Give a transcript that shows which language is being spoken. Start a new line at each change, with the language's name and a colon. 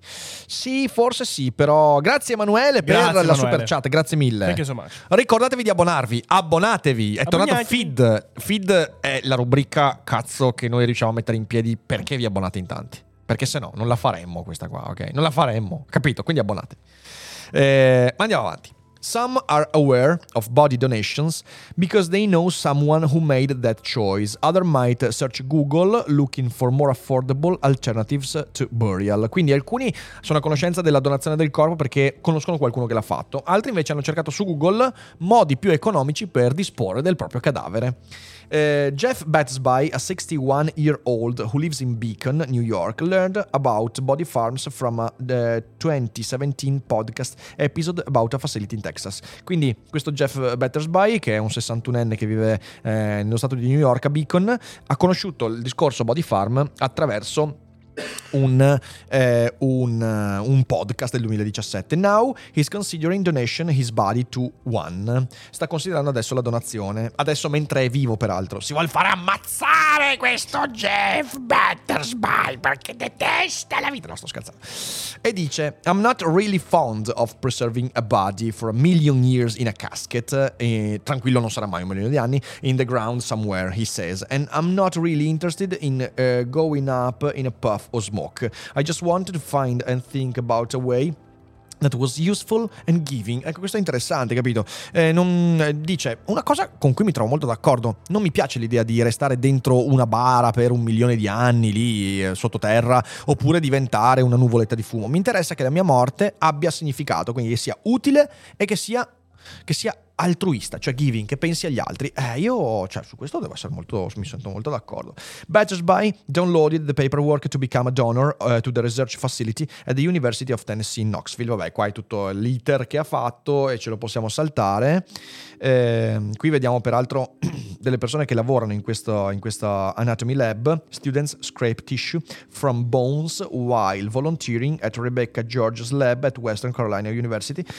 Italian: Sì, forse sì, però grazie Emanuele per la super chat, grazie mille.
English: Thank you so much.
Italian: Ricordatevi di abbonatevi, è tornato feed è la rubrica cazzo che noi riusciamo a mettere in piedi perché vi abbonate in tanti, perché se no non la faremmo questa qua, ok? Non la faremmo, capito? Quindi abbonate. Andiamo avanti.
English: Some are aware of body donations because they know someone who made that choice. Other might search Google looking for more affordable alternatives to burial.
Italian: Quindi alcuni sono a conoscenza della donazione del corpo perché conoscono qualcuno che l'ha fatto. Altri invece hanno cercato su Google modi più economici per disporre del proprio cadavere.
English: Jeff Batsby, a 61-year-old who lives in Beacon, New York, learned about body farms from the 2017 podcast episode about a facility in Texas.
Italian: Quindi questo Jeff Battersby, che è un 61enne che vive nello stato di New York, a Beacon, ha conosciuto il discorso body farm attraverso un podcast del 2017.
English: Now he's considering donation his body to one.
Italian: Sta considerando adesso la donazione, adesso mentre è vivo peraltro. Si vuole far ammazzare questo Jeff Battersby perché detesta la vita. No, sto scherzando. E dice:
English: I'm not really fond of preserving a body for a million years in a casket.
Italian: E, tranquillo, non sarà mai un milione di anni.
English: In the ground somewhere, he says. And I'm not really interested in going up in a puff or smoke. I just wanted to find and think about a way that was useful and giving.
Italian: Ecco, questo è interessante, capito? Dice una cosa con cui mi trovo molto d'accordo: non mi piace l'idea di restare dentro una bara per un milione di anni lì sottoterra, oppure diventare una nuvoletta di fumo. Mi interessa che la mia morte abbia significato, quindi che sia utile e che sia altruista, cioè giving, che pensi agli altri. Io su questo devo essere molto, mi sento molto d'accordo.
English: Battersby downloaded the paperwork to become a donor to the research facility at the University of Tennessee in Knoxville.
Italian: Vabbè, qua è tutto l'iter che ha fatto e ce lo possiamo saltare. Qui vediamo peraltro delle persone che lavorano in questa anatomy lab.
English: Students scrape tissue from bones while volunteering at Rebecca George's lab at Western Carolina University.